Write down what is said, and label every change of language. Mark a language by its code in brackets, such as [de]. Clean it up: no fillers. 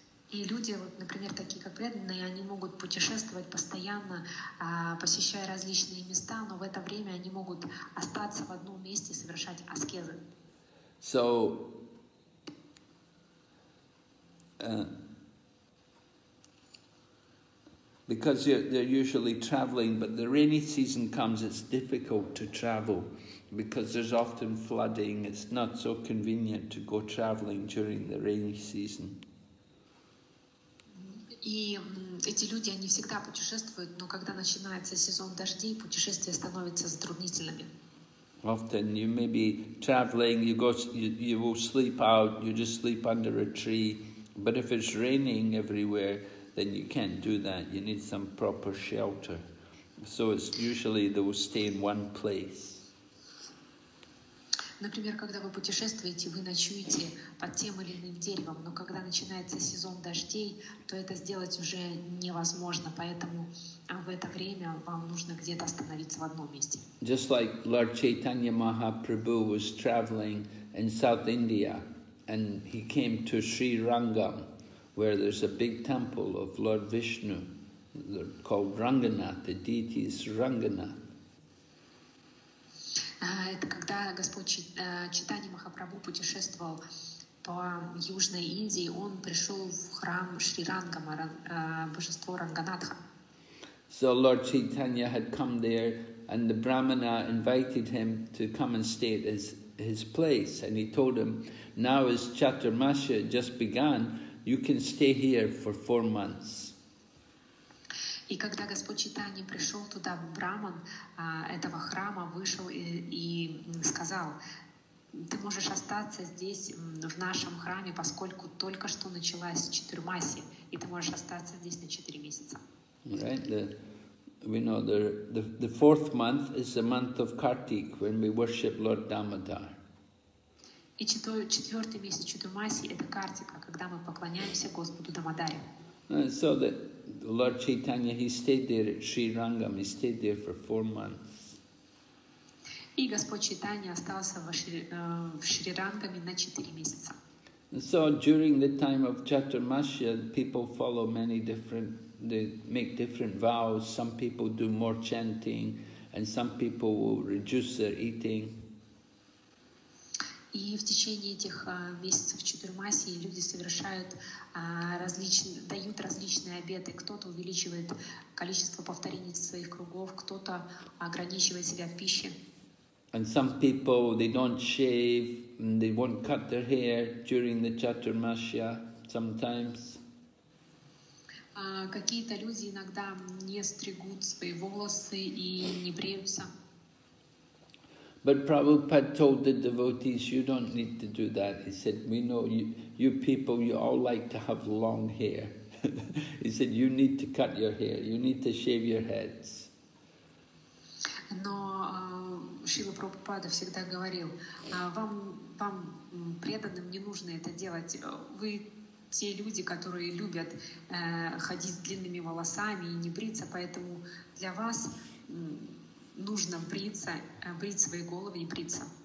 [ru] И люди, вот, например, такие как преданные, они могут путешествовать постоянно, посещая различные места, но в это время они могут остаться в одном месте и совершать аскезы. [en] So, because they're usually traveling, but the rainy season comes, it's difficult to travel because there's often flooding. It's not so convenient to go traveling during the rainy season. [ru] И эти люди, они всегда путешествуют, но когда начинается сезон дождей, путешествия становятся затруднительными. [en] Often you may be traveling, you will sleep out, you just sleep under a tree. But if it's raining everywhere, then you can't do that. You need some proper shelter. So it's usually they will stay in one place. [ru] Например, когда вы путешествуете, вы ночуете под тем или иным деревом, но когда начинается сезон дождей, то это сделать уже невозможно, поэтому в это время вам нужно где-то остановиться в одном месте. [en] Just like Lord Chaitanya Mahaprabhu was traveling in South India, and he came to Sri Rangam, where there's a big temple of Lord Vishnu called Ranganath, the deity is Ranganath. [ru] Это когда Господь Чайтанья Махапрабху путешествовал по Южной Индии, он пришел в храм Шри Рангама, божество Ранганатха. [en] So Lord Chaitanya had come there, and the Brahmana invited him to come and stay at his place. And he told him, now as Chaturmasya just began, you can stay here for 4 months. [ru] И когда Господь Чайтанья пришел туда, браман этого храма вышел и сказал, ты можешь остаться здесь в нашем храме, поскольку только что началась Чатурмасия, и ты можешь остаться здесь на 4 месяца. [en] Right. We know the fourth month is the month of Kartik, when we worship Lord Damodar. [ru] И четвертый месяц Чатурмасии — это Картика, когда мы поклоняемся Господу Дамодаре. [en] So that Lord Chaitanya, he stayed there at Sri Rangam, he stayed there for 4 months. [ru] И Господь Чайтанья остался в Шри Рангаме на 4 месяца. [en] And so during the time of Chaturmasya, people follow many different, they make different vows. Some people do more chanting, and some people will reduce their eating. [ru] И в течение этих месяцев Чатурмасии люди совершают дают различные обеты. Кто-то увеличивает количество повторений своих кругов, кто-то ограничивает себя в пище. [en] And some people, they don't shave, they won't cut their hair during the Chaturmasya sometimes. [ru] Какие-то люди иногда не стригут свои волосы и не бреются. [en] But Prabhupada told the devotees, you don't need to do that. He said, we know you people, you all like to have long hair. He said, you need to cut your hair, you need to shave your heads. [ru] Но Шрила Прабхупада всегда говорил, вам преданным не нужно это делать. Вы те люди, которые любят ходить с длинными волосами и не бриться, поэтому для вас нужно брить свои головы и бриться.